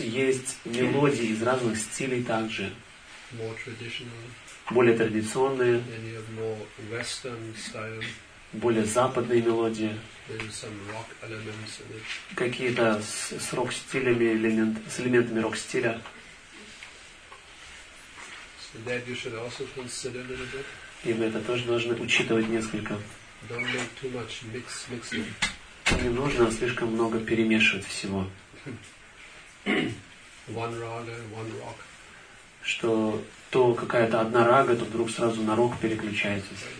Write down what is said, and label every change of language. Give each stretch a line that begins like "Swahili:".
Russian: Есть мелодии из разных стилей также.
English: More traditional.
Russian: Более традиционные.
English: Then you have more western style.
Russian: Более западные мелодии.
English: Then some rock elements in it.
Russian: Какие-то с рок-стилями, с элементами рок-стиля.
English: So that you should also consider a little bit.
Russian: И вы это тоже должны учитывать несколько.
English: Don't make too much mixing.
Russian: Не нужно слишком много перемешивать всего.
English: One raga, one rock.
Russian: Что то какая-то одна рага, то вдруг сразу на рок переключается.